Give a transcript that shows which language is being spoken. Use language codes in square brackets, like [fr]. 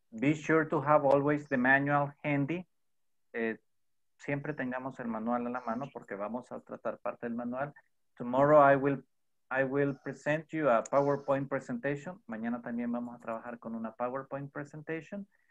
[en] Be sure to have always the manual handy. [es] Siempre tengamos el manual a la mano porque vamos a tratar parte del manual. [en] Tomorrow, I will present you a PowerPoint presentation. [es] Mañana también vamos a trabajar con una PowerPoint presentation.